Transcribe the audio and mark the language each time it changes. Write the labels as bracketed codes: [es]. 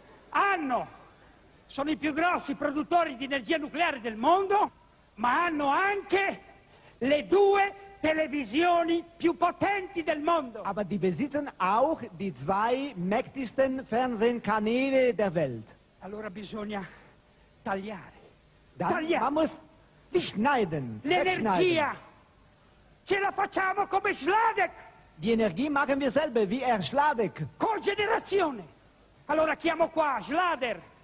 [it] Hanno, sono i più grossi produttori di energia nucleare del mondo, ma hanno anche le due televisioni più potenti del mondo. [de] Aber die besitzen auch die zwei mächtigsten Fernsehkanäle der Welt. [it] Allora bisogna tagliare. [de] Man muss schneiden. [it] L'energia ce la facciamo come Schladek. [de] Die Energie machen wir selber wie Schladek. [it] Cogenerazione. Allora chiamo qua Schlader.